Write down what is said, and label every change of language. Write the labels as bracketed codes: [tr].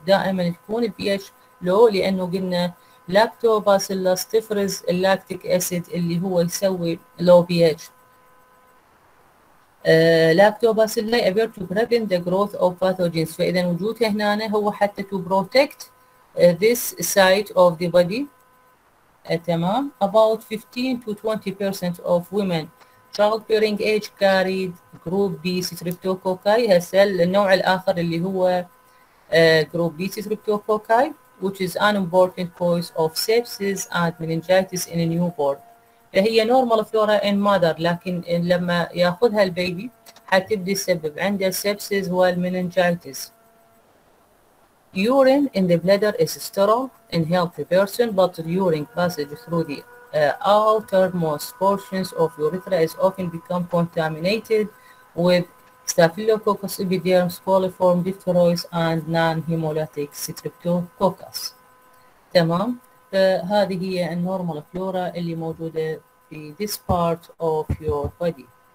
[ar] دائما تكون الـ pH low لأنه قلنا lactobacillus تفرز اللاكتيك أسيد اللي هو يسوي low pH. [en] Lactobacilli appear to prevent the growth of pathogens. [ar] فإذا وجودها هنا هو حتى [en] to protect this site of the body [ar] تمام. [en] About 15 to 20% of women child bearing age carried group B streptococci. [ar] هسه النوع الآخر اللي هو [en] group B streptococci, which is an important cause of sepsis and meningitis in a newborn. فهي normal flora in mother, لكن لما ياخذها البيبي حتبدي تسبب عنده sepsis والmeningitis. Urine in the bladder is sterile in healthy person, but the urine passage through the outermost portions of urethra is often become contaminated with Staphylococcus epidermis, coliform, diphtheroids and non-hemolytic streptococcus. [ar] تمام. فهذه هي النورمال فلورا اللي موجودة في [en] this part of your body.